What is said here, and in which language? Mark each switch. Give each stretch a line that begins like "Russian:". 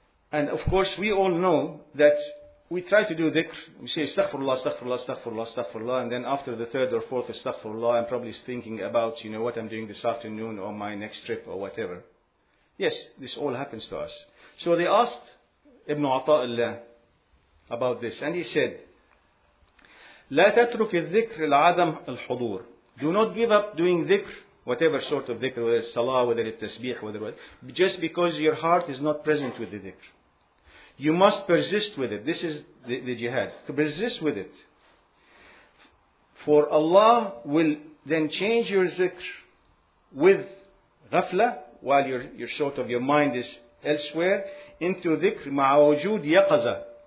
English: And of course, we all know that we try to do dhikr. We say, astaghfirullah, astaghfirullah, astaghfirullah, astaghfirullah. And then after the third or fourth astaghfirullah, I'm probably thinking about, you know, what I'm doing this afternoon or my next trip or whatever. Yes, this all happens to us. So they asked Ibn Ata'illah about this. And he said,
Arabic: لا تترك الذكر العدم الحضور.
English: Do not give up doing dhikr, whatever sort of dhikr, whether it's salah, whether it's tasbih, whether it's, just because your heart is not present with the dhikr. You must persist with it. This is the jihad. To persist with it. For Allah will then change your zikr with ghafla, while your sort of your mind is elsewhere, into
Arabic: zikr ma'awjud yaqaza.